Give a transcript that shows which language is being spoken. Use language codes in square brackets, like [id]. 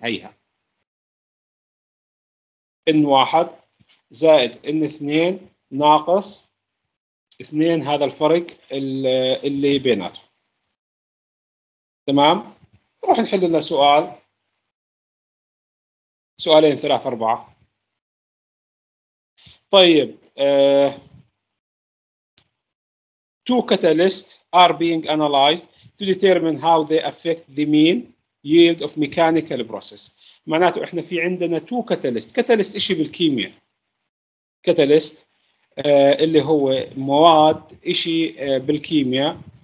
[ar] هيها n1 زائد n2 ناقص 2، هذا الفرق اللي بيناته. تمام، نروح نحل لنا سؤال، سؤالين ثلاثة أربعة. [en] طيب two catalysts are being analyzed to determine how they affect the mean yield of mechanical process. [ar] معناته احنا في عندنا two catalysts. catalyst اشي بالكيمياء، catalyst اللي هو مواد، اشي بالكيمياء.